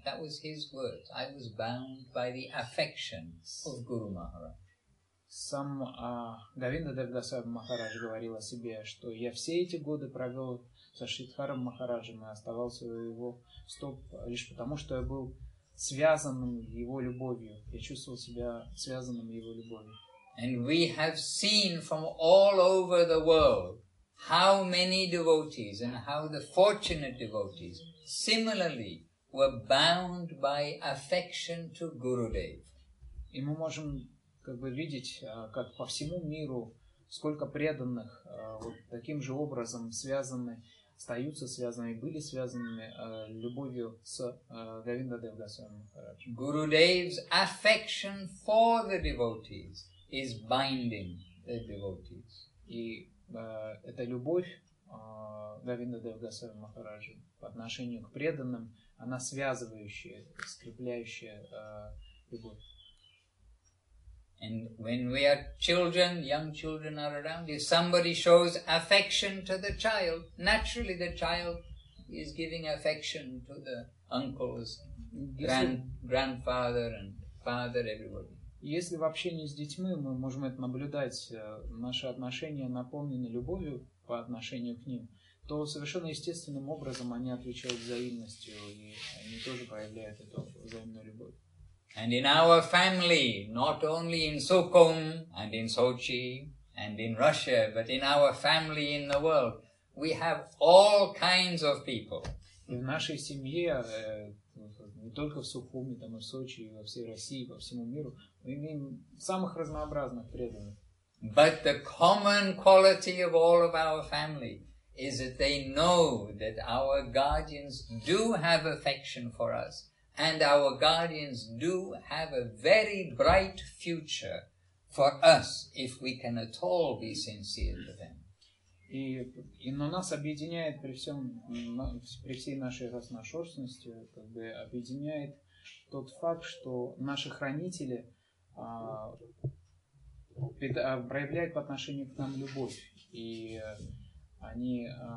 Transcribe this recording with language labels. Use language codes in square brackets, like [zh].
[en] That was his words. I was bound by the affections of Guru Maharaj. [ru] Сам Говинда Дев Госвами Махарадж говорил о себе, что я все эти годы провел со Шридхаром Махараджем и оставался у его стоп лишь потому, что я был связанным его любовью. Я чувствовал себя связанным его любовью. [en] And we have seen from all over the world how many devotees and how the fortunate devotees similarly were bound by affection to Gurudev. [ru] И мы можем как бы видеть, как по всему миру сколько преданных вот таким же образом связаны, остаются связаны, были связаны любовью с Говинда Дев Госвами Махараджем. [en] Gurudev's affection for the devotees is binding the devotees. [ru] И эта любовь Говинда Дев Госвами Махараджа по отношению к преданным, она связывающая, скрепляющая любовь. [en] And when we are children, young children are around, if somebody shows affection to the child, naturally the child is giving affection to the uncles, grandfather and father, everybody. [ru] Если в общении с детьми мы можем это наблюдать, наши отношения наполнены любовью по отношению к ним, то совершенно естественным образом они отвечают взаимностью, и они тоже проявляют эту взаимную любовь. [en] And in our family, not only in Sukhum and in Sochi and in Russia, but in our family in the world, we have all kinds of people. [ru] В нашей семье, не только в Сухуме, там и в Сочи, и во всей России, и во всему миру, мы имеем самых разнообразных преданных. [en] But the common quality of all of our family is that they know that our guardians do have affection for us. And our guardians do have a very bright future for us if we can at all be sincere to them. [ru] И но нас объединяет при всем при всей нашей разношерстности, как бы объединяет тот факт, что наши хранители проявляют по отношению к нам любовь, и они.